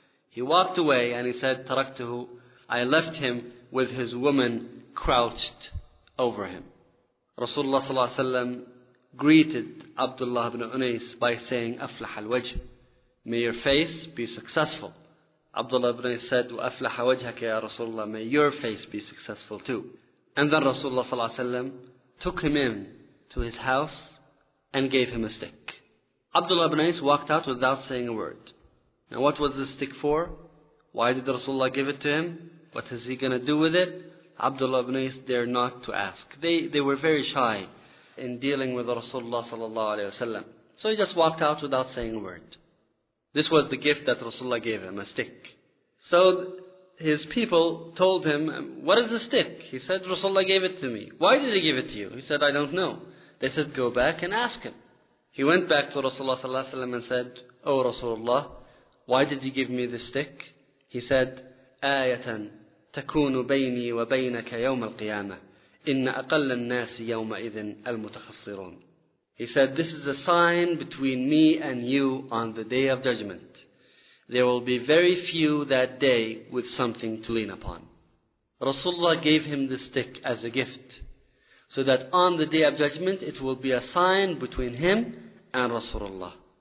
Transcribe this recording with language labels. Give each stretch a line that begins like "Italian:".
English: He walked away and he said, Taraktuhu, I left him with his woman crouched over him. Rasulullah sallallahu alayhi wa sallam greeted Abdullah ibn Unais by saying,
Arabic: Aflah al-wajh.
English: May your face be successful. Abdullah ibn Unais said,
Arabic: وَأَفْلَحَ وَجْهَكَ يَا رَسُولَ اللَّهِ.
English: May your face be successful too. And then Rasulullah sallallahu alayhi wa sallam took him in to his house and gave him a stick. Abdullah ibn Unais walked out without saying a word. Now what was the stick for? Why did Rasulullah give it to him? What is he going to do with it? Abdullah ibn Unais dared not to ask. They were very shy in dealing with Rasulullah sallallahu alayhi wa sallam. So he just walked out without saying a word. This was the gift that Rasulullah gave him, a stick. So his people told him, what is the stick? He said, Rasulullah gave it to me. Why did he give it to you? He said, I don't know. They said, go back and ask him. He went back to Rasulullah sallallahu alaihi wasallam and said, O Rasulullah, why did you give me the stick? He said,
Arabic: آيَةً تَكُونُ بَيْنِي وَبَيْنَكَ يَوْمَ الْقِيَامَةِ إِنَّ أَقَلَّ النَّاسِ يَوْمَئِذٍ الْمُتَخَصِّرُونَ.
English: He said, this is a sign between me and you on the Day of Judgment. There will be very few that day with something to lean upon. Rasulullah gave him the stick as a gift, so that on the Day of Judgment, it will be a sign between him and Rasulullah.